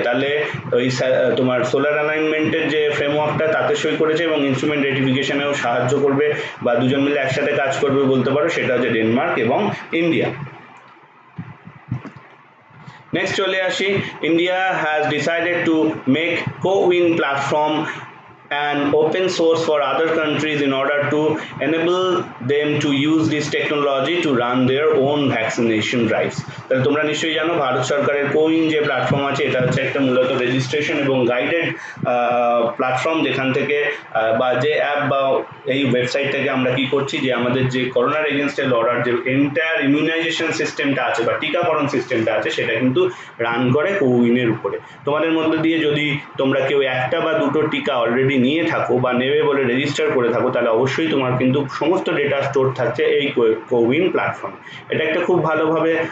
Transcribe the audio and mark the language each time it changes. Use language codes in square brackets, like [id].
[bn] তাহলে ওই তোমার সোলার অ্যালাইনমেন্টের যে ফ্রেমওয়ার্কটা তাতে সই করেছে এবং ইনস্ট্রুমেন্ট রেটিফিকেশনেও সাহায্য করবে বা দুজন মিলে একসাথে কাজ করবে বলতে পারো, সেটা হচ্ছে ডেনমার্ক এবং ইন্ডিয়া। [en] next [bn] চলে আসি, [en] India has decided to make CoWIN platform and open source for other countries in order to enable them to use this technology to run their own vaccination drives. [bn] তাহলে তোমরা নিশ্চয়ই জানো ভারত সরকারের CoWIN যে platform আছে এটা হচ্ছে একটা মূলত রেজিস্ট্রেশন এবং গাইডেড প্ল্যাটফর্ম যেখান থেকে বা যে অ্যাপ বা এই ওয়েবসাইট থেকে আমরা কি করছি যে আমাদের যে করোনার এগেনস্টে লড়ার যে এন্টায়ার ইমিউনাইজেশন সিস্টেমটা আছে বা টিকাকরণ সিস্টেমটা আছে সেটা কিন্তু রান করে কোউইনের উপরে তোমাদের মধ্যে দিয়ে যদি তোমরা কেউ একটা বা দুটো টিকা অলরেডি নিয়ে থাকো বা নেবে বলে রেজিস্টার করে থাকো তাহলে অবশ্যই তোমার কিন্তু সমস্ত ডেটা স্টোর থাকছে এই কোউইন প্ল্যাটফর্মে এটা একটা খুব ভালোভাবে